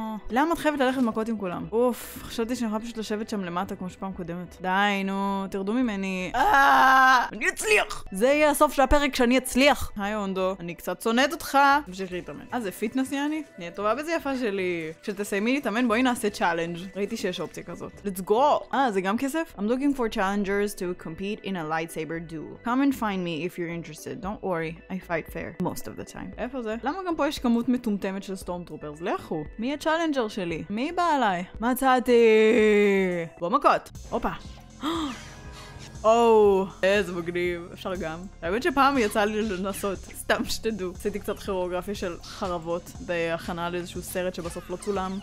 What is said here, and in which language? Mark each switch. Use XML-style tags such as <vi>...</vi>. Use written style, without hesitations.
<he>למה את חייבת ללכת מכות עם כולם? אוף, חשבתי שאני יכולה פשוט לשבת שם למטה כמו שפעם קודמת. די, נו, תרדו ממני. אני אצליח! זה יהיה הסוף של הפרק שאני אצליח. היי, הונדו, אני קצת צונאת אותך. תמשיך להתאמן. אז זה פיטנס יעני? נהיה טובה בזה יפה שלי. כשתסיימי להתאמן, בואי נעשה צ'אלנג'. ראיתי שיש אופציה כזאת.</he> <en>Let's go!</en> <he>זה גם כסף?</he> <en>I'm looking for challengers to compete in a lightsaber duel. Come and find me if you're interested. Don't worry, I fight fair most of the time.</en> <he>איפה זה? למה גם פה יש כמות מטומטמת של סטורמטרופרס? לכו. מי הצ'אלנג'ר שלי? מי בא עליי? מצאתי! בוא מכות. אופה. או, איזה מגניב, אפשר גם. האמת שפעם יצא לי לנסות, סתם שתדעו. עשיתי קצת כוריאוגרפיה של חרבות בהכנה לאיזשהו סרט שבסוף לא צולם.</he>